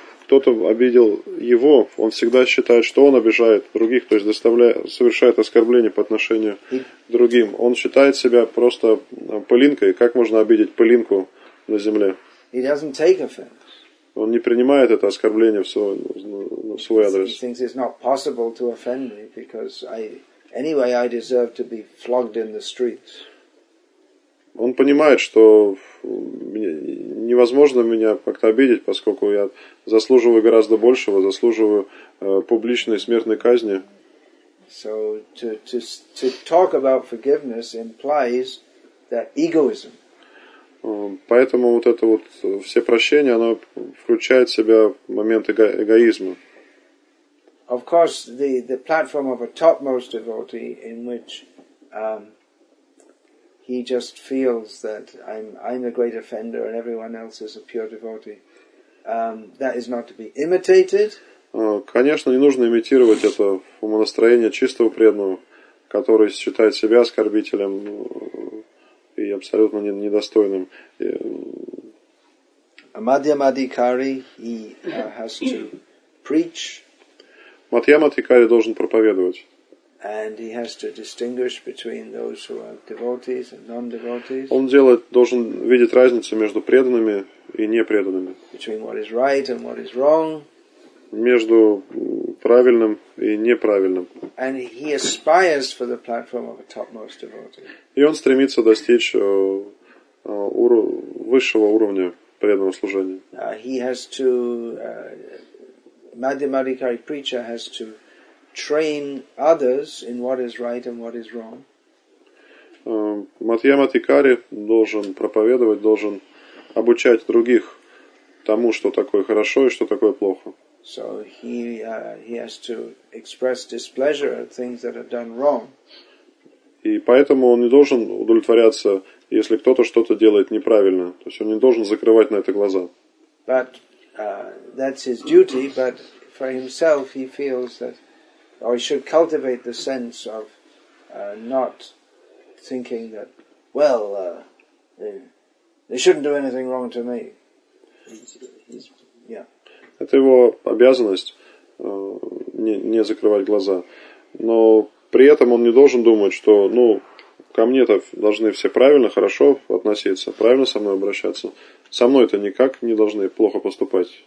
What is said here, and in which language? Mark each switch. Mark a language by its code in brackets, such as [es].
[ru] кто-то обидел его, он всегда считает, что он обижает других, то есть совершает оскорбление по отношению к другим. Он считает себя просто пылинкой. Как можно обидеть пылинку на земле? [en] He doesn't take offense. [ru] Он не принимает это оскорбление в свой адрес. [en] He thinks it's not possible to offend me because I deserve to be flogged in the streets. [ru] Он понимает, что невозможно меня как-то обидеть, поскольку я заслуживаю гораздо большего, заслуживаю публичной смертной казни. [en] So to talk about forgiveness implies that egoism. [ru] Поэтому вот это вот все прощения, оно включает в себя момент эгоизма. [en] Of course, the platform of a topmost devotee in which he just feels that I'm a great offender and everyone else is a pure devotee. That is not to be imitated. [ru] Конечно, не нужно имитировать это умонастроение чистого преданного, который считает себя оскорбителем и абсолютно недостойным. [en] A Madhyamadhikari, he has to preach. [ru] Мадхьямадхикари должен проповедовать. [en] And he has to distinguish between those who are devotees and non-devotees. [ru] Он должен видеть разницу между преданными и непреданными. [en] Between what is right and what is wrong. [ru] Между правильным и неправильным. [en] And he aspires for the platform of a topmost devotee. [ru] И он стремится достичь высшего уровня преданного служения. [en] He has to Madhyamadhikari preacher has to train others in what is right and what is wrong. [ru] Мадхьямадхикари должен проповедовать, должен обучать других тому, что такое хорошо и что такое плохо. [en] So he has to express displeasure at things that are done wrong. [ru] И поэтому он не должен удовлетворяться, если кто-то что-то делает неправильно. То есть он не должен закрывать на это глаза. [en] But that's his duty, but for himself he feels that or he should cultivate the sense of not thinking that, well, they shouldn't do anything wrong to me. Yeah. [ru] Это его обязанность не закрывать глаза. Но при этом он не должен думать, что ко мне-то должны все правильно, хорошо относиться, правильно со мной обращаться. Со мной-то никак не должны плохо поступать.